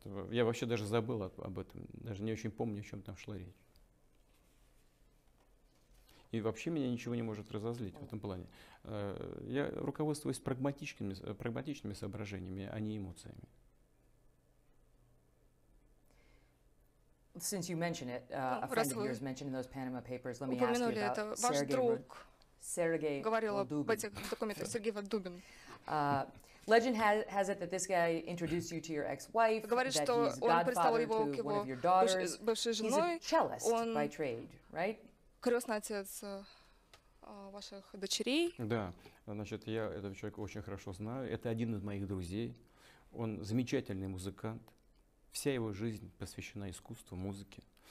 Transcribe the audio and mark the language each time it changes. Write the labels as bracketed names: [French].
[Russian] Я вообще даже забыл об этом. Даже не очень помню, о чем там шла речь. И вообще меня ничего не может разозлить в этом плане. Я руководствуюсь прагматичными соображениями, а не эмоциями. [English] Since you mention it, a friend of yours mentioned those Panama Papers. Let me ask you about Sergei. [Russian] Ваш друг говорил об этих документах. Сергей Вадубин. [English] Legend has it that this guy introduced you to your ex-wife. [Russian] Говорит, что он представил его к его бывшей женой. [English] He's a cellist by trade, right? [Russian] Крестный отец ваших дочерей. Да, значит, я этого человека очень хорошо знаю. Это один из моих друзей. Он замечательный музыкант. Вся его жизнь посвящена искусству, музыке.